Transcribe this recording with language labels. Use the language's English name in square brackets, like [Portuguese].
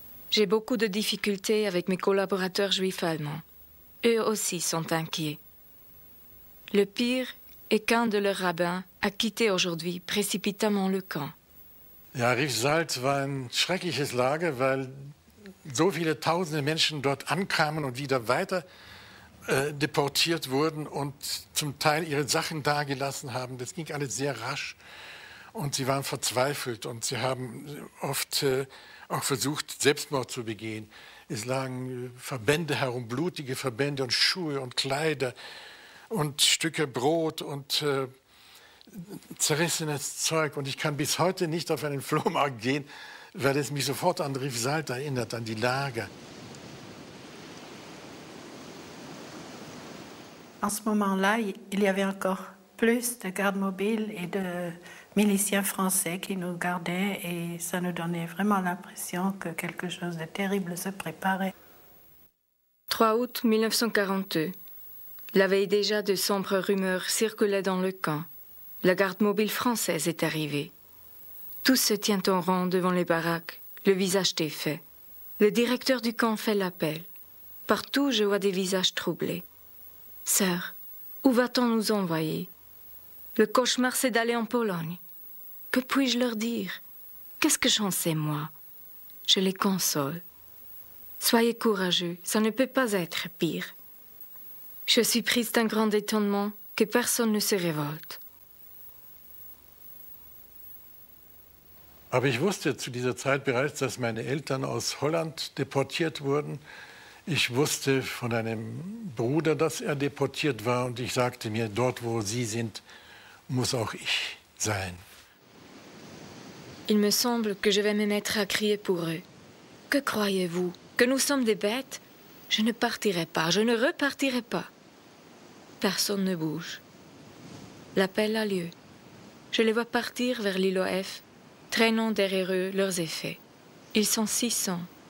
[French] J'ai beaucoup de difficultés avec mes collaborateurs juifs allemands. Eux aussi sont inquiets. Le pire est qu'un de leurs rabbins a quitté aujourd'hui précipitamment le camp. [German] Ja, Rivesalt war ein schreckliches Lager, weil so viele tausende Menschen dort ankamen und wieder weiter deportiert wurden und zum Teil ihre Sachen dagelassen haben. Das ging alles sehr rasch und sie waren verzweifelt und sie haben oft auch versucht, Selbstmord zu begehen. Es lagen Verbände herum, blutige Verbände und Schuhe und Kleider und Stücke Brot und zerrissenes Zeug. Und ich kann bis heute nicht auf einen Flohmarkt gehen, weil es mich sofort an Rivesalt erinnert, an die Lage. [French] En ce moment-là, il y avait encore plus de gardes mobiles et de miliciens français qui nous gardaient et ça nous donnait vraiment l'impression que quelque chose de terrible se préparait. 3 août 1942. La veille déjà, de sombres rumeurs circulaient dans le camp. La garde mobile française est arrivée. Tout se tient en rang devant les baraques, le visage défait. Le directeur du camp fait l'appel. Partout, je vois des visages troublés. « Sœur, où va-t-on nous envoyer ? Le cauchemar, c'est d'aller en Pologne. Que puis-je leur dire ? Qu'est-ce que j'en sais, moi ? Je les console. Soyez courageux, ça ne peut pas être pire. Je suis prise d'un grand étonnement que personne ne se révolte. » [German] Aber ich wusste zu dieser Zeit bereits, dass meine Eltern aus Holland deportiert wurden. Ich wusste von einem Bruder, dass er deportiert war und ich sagte mir, dort wo sie sind, muss auch ich sein. [French] Il me semble que je vais me mettre à crier pour eux. Que croyez-vous? Que nous sommes des bêtes? Je ne partirai pas, je ne repartirai pas. Personne ne bouge. L'appel a lieu. Je les vois partir vers l'île F, traînant derrière eux leurs effets. Ils sont 600.